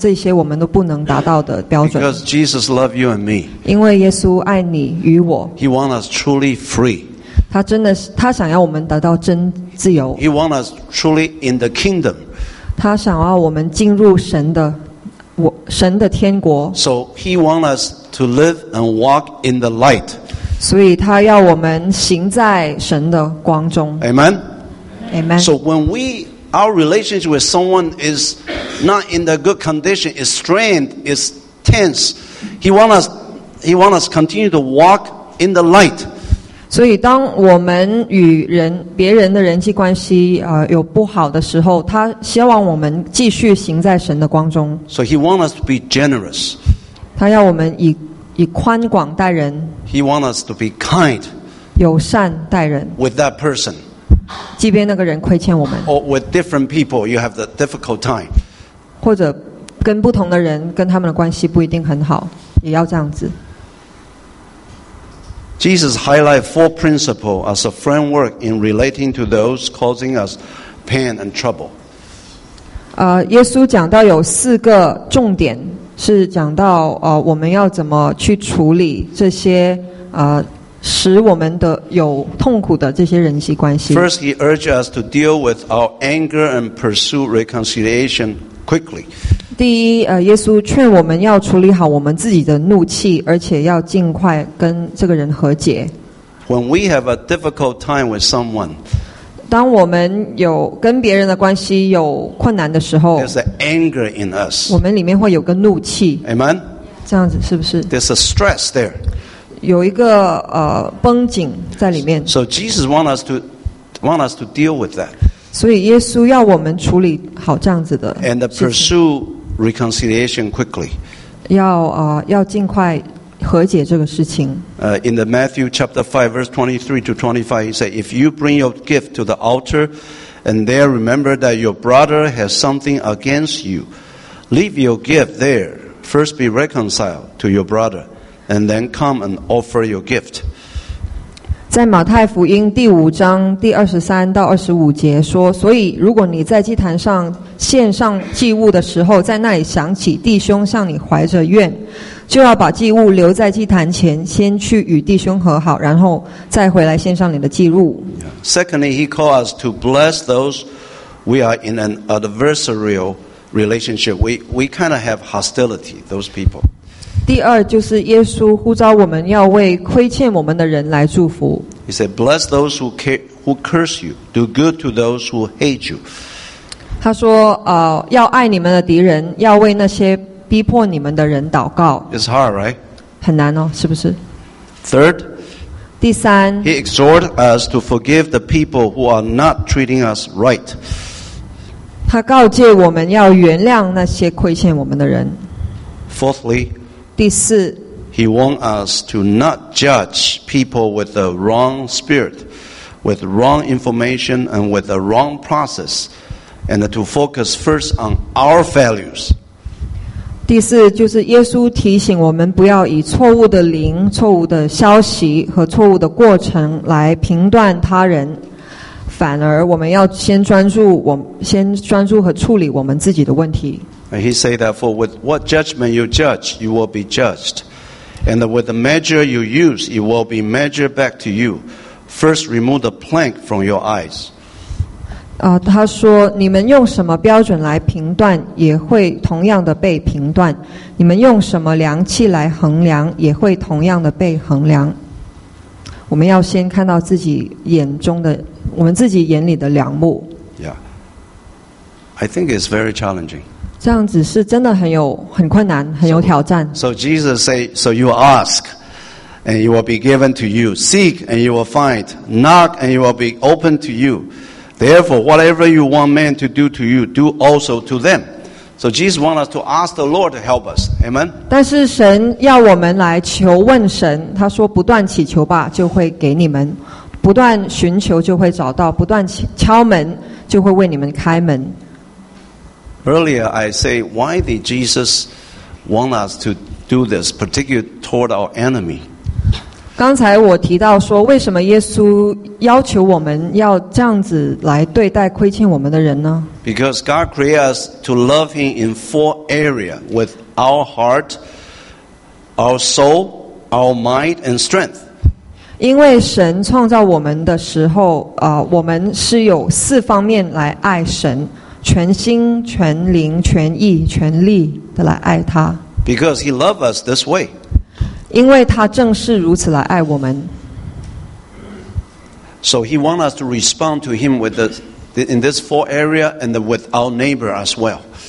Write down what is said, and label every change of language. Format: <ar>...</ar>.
<zh>那所以我就回到说刚才为什么耶稣要教导这些我们都不能达到的标准。</zh> <en>Because Jesus loves you and me.</en> <zh>因为耶稣爱你与我。</zh> <en>He wants us truly free.</en> <zh>他想要我们得到真自由。</zh> <en>He wants us truly in the kingdom.</en> <zh>他想要我们进入神的 神的天国,</zh> <en>so he wants us to live and walk in the light.</en> <zh>所以他要我们行在神的光中。</zh> <en>Amen? Amen. So when we our relationship with someone is not in the good condition, is strained, is tense, he wants us continue to walk in the light.</en> <zh>所以当我们与别人的人际关系 有不好的时候, 他希望我们继续行在神的光中。</zh> <en>So he wants us to be generous.</en> <zh>他要我们以宽广待人。</zh> <en>He wants us to be kind.</en> <zh>友善待人。</zh> <en>With that person.</en> <zh>即便那个人亏欠我们。</zh> <en>Or with different people, you have the difficult time.</en> <zh>或者跟不同的人，跟他们的关系不一定很好，也要这样子。</zh> <en>Jesus highlighted four principles as a framework in relating to those causing us pain and trouble.</en> <zh>耶稣讲到有四个重点，是讲到我们要怎么去处理这些使我们的有痛苦的这些人际关系。</zh> <en>First, he urged us to deal with our anger and pursue reconciliation quickly.</en> <zh>第一，耶稣劝我们要处理好我们自己的怒气，而且要尽快跟这个人和解。</zh> <en>When we have a difficult time with someone,</en> <zh>当我们有跟别人的关系有困难的时候</zh> <en>，there's an anger in us.</en> <zh>我们里面会有个怒气。</zh> <en>Amen.</en> <zh>这样子是不是</zh> <en>？There's a stress there.</en> <zh>有一个绷紧在里面。</zh> <en>So Jesus want us to deal with that.</en> <zh>所以耶稣要我们处理好这样子的。</zh> <en>And pursue reconciliation quickly.</en> <zh>要尽快和解这个事情。</zh> <en>In the Matthew chapter 5 verse 23 to 25, he said, "If you bring your gift to the altar, and there remember that your brother has something against you, leave your gift there. First be reconciled to your brother, and then come and offer your gift."</en> <zh>在马太福音第五章第二十三到二十五节说，所以如果你在祭坛上献上祭物的时候，在那里想起弟兄向你怀着怨，就要把祭物留在祭坛前，先去与弟兄和好，然后再回来献上你的祭物。</zh> <en>Secondly, he called us to bless those we are in an adversarial relationship. We kind of have hostility, those people.</en> <zh>第二就是耶稣呼召我们要为亏欠我们的人来祝福。</zh> <en>He said, bless those who curse you. Do good to those who hate you.</en> <zh>他说，要爱你们的敌人，要为那些逼迫你们的人祷告。</zh> <en>It's hard, right?</en> <zh>很难哦，是不是？</zh> <en>Third,</en> <zh>第三，</zh> <en>he exhorted us to forgive the people who are not treating us right.</en> <zh>他告诫我们要原谅那些亏欠我们的人。</zh> <en>Fourthly,</en> <zh>第四，</zh> <en>he warned us to not judge people with the wrong spirit, with wrong information, and with the wrong process, and to focus first on our values.</en> <zh>第四就是耶稣提醒我们不要以错误的灵、错误的消息和错误的过程来评断他人，反而我们要先专注和处理我们自己的问题。</zh> <en>And he said that for with what judgment you judge, you will be judged, and with the measure you use, it will be measured back to you. First, remove the plank from your eyes.</en> <zh>他说你们用什么标准来评断也会同样的被评断，你们用什么量器来衡量也会同样的被衡量。我们要先看到自己眼中的我们自己眼里的梁木。</zh> <en>Yeah, I think it's very challenging.</en> <zh>这样子是真的很困难，很有挑战。</zh> <en>So Jesus say, so you ask and it will be given to you, seek and you will find, knock and it will be opened to youTherefore, whatever you want men to do to you, do also to them. So Jesus wants us to ask the Lord to help us. Amen.</en> <zh>但是神要我们来求问神，他说不断祈求吧，就会给你们；不断寻求就会找到；不断敲门就会为你们开门。</zh> <en>Earlier, I say, why did Jesus want us to do this, particularly toward our enemy?</en> <zh>刚才我提到说为什么耶稣要求我们要这样子来对待亏欠我们的人呢？</zh> <en>Because God created us to love him in four areas with our heart, our soul, our mind and strength.</en> <zh>因为神创造我们的时候我们是有四方面来爱神，全心全灵全意全力的来爱他。</zh> <en>Because he loved us this way.</en> <zh>因为他正是如此来爱我们。</zh> <en>So he wants us to respond to him with in this four area and with our neighbor as well.</en>